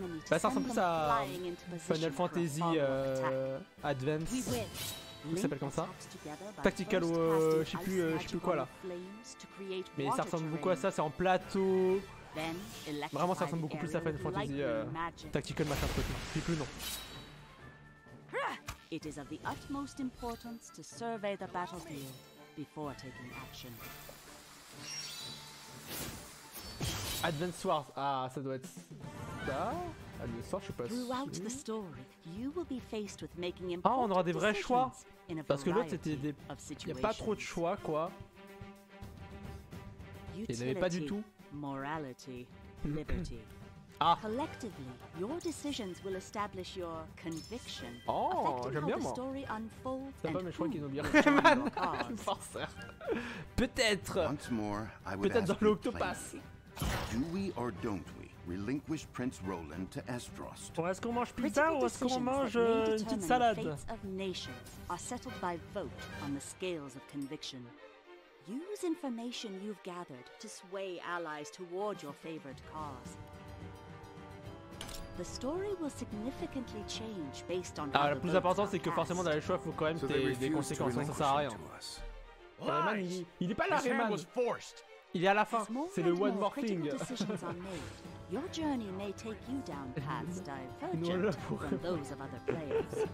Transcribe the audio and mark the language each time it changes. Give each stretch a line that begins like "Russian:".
French: Bah ça ressemble plus à Final Fantasy Advance. Ça s'appelle comme ça? Tactical, je sais plus quoi là. Mais ça ressemble beaucoup à ça, c'est en plateau. Vraiment, ça ressemble beaucoup plus à Final Fantasy Tactical Machin Truc. Puis plus non.
English: It is of the utmost importance to survey the battlefield before taking action.
French: Advance Wars, ah, ça doit être ça. Advance Wars, je sais pas.
English: Throughout the story, you will be faced with making important decisions.
French: Ah, on aura des vrais choix. Parce que l'autre c'était des. Il n'y a pas trop de choix quoi. Il n'y avait pas du tout.
English: Morality, liberty. Ah. Collectively, your decisions will establish your conviction.
French: Oh, j'aime bien moi. C'est pas mes choix qu'ils ont bien. Forceur. Peut-être. Peut-être dans l'octopus.
English: Do we or don't we relinquish Prince Roland to Estrost?
French: Bon, est-ce qu'on mange pizza ou est-ce qu'on mange une petite salade?
English: The fates of nations are settled by vote on the scales of conviction. Use information you've gathered to sway allies toward your favorite cause. The story will significantly change based on.
French: Ah, le plus important c'est que forcément dans les choix faut quand même des conséquences, ça sert à rien. Rayman, il est pas là, Rayman. Il est à la fin, c'est le one more thing.
English: Your journey may take you down paths divergent from those of other players.